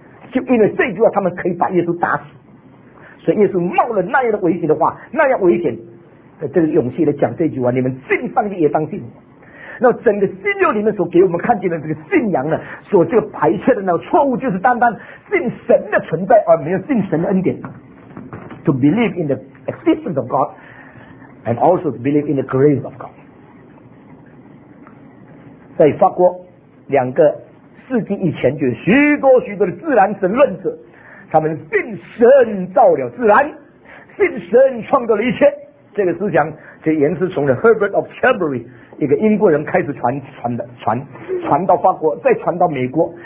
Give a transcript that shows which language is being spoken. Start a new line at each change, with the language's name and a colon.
Chinese: 就因为这句话，他们可以把耶稣打死。所以耶稣冒了那样的危险的话，那样危险，这个勇气来讲这句话，你们信上帝也当信。那整个新约里面所给我们看见的这个信仰呢，所这个排斥的那个错误，就是单单信神的存在而没有信神的恩典。
English: To believe in the existence of God and also believe in the grace of God。
Chinese: 在法国两个世纪以前，就有许多许多的自然神论者，他们信神造了自然，信神创造了一切。这个思想就原是从 Herbert of Chambery 一个英国人开始传到法国，再传到美国。